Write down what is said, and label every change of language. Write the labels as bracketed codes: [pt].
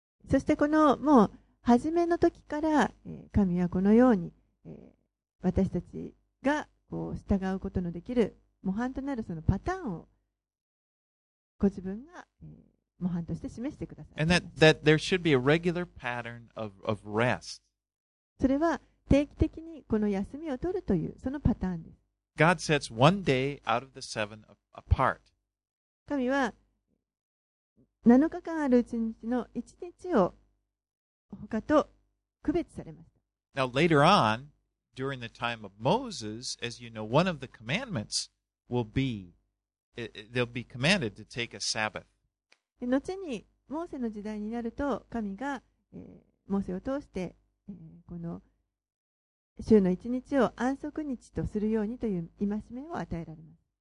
[ja] そしてこのもう初めの時から神はこのように私たちがこう従うことのできる模範となるそのパターンをご自分が模範として示してくださいます。 [en] And that there should be a regular pattern of rest. [ja] それは定期的にこの休みを取るというそのパターンです。 [en] God sets one day out of the seven apart. [ja] 神は7日間ある1日の1日を他と区別されました。 [en] Now later on, during the time of Moses, as you know, one of the commandments will be, they'll be commanded to take a Sabbath. [ja] 後にモーセの時代になると神が、モーセを通してこの週の一日を安息日とするようにという戒めを与えられます。